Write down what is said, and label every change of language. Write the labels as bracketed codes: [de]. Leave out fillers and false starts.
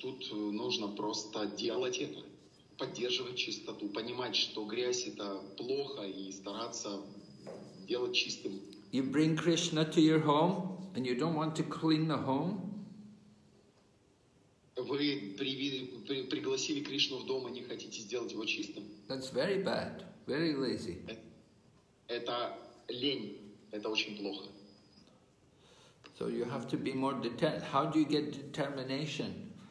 [ru] Тут нужно просто делать это, поддерживать чистоту, понимать, что грязь это плохо, и стараться делать чистым. [en] You bring Krishna to your home, and you don't want to clean the home. [ru] Вы пригласили Кришну в дом и не хотите сделать его чистым. [en] That's very bad, very lazy. [ru] Это лень, это очень плохо. [en] So you have to be more determined. How do you get determination?